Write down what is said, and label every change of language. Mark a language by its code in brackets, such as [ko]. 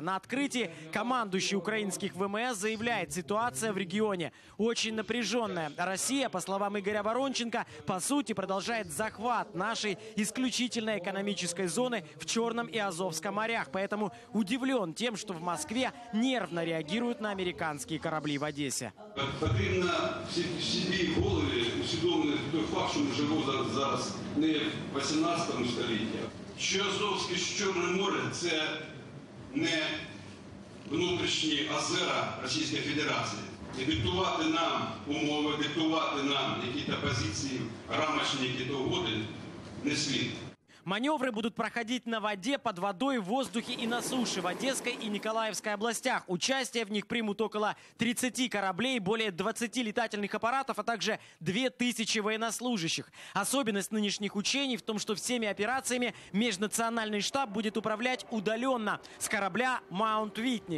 [ru] На открытии командующий украинских ВМС заявляет, ситуация в регионе очень напряженная. Россия, по словам Игоря Воронченко, по сути продолжает захват нашей исключительной экономической зоны в Черном и Азовском морях. Поэтому удивлен тем, что в Москве нервно реагируют на американские корабли в Одессе. [uk] Потрібно собі голові усвідомити той факт, що ми живемо зараз не в 18 столітті. Що Азовське, що Чорне море – це не внутрішні озера Російської Федерації. І диктувати нам умови, диктувати нам якісь позиції, рамочні, які-то угоди, не слід. [ru] Маневры будут проходить на воде, под водой, в воздухе и на суше в Одесской и Николаевской областях. Участие в них примут около 30 кораблей, более 20 летательных аппаратов, а также 2000 военнослужащих. Особенность нынешних учений в том, что всеми операциями межнациональный штаб будет управлять удаленно с корабля «Маунт Витни».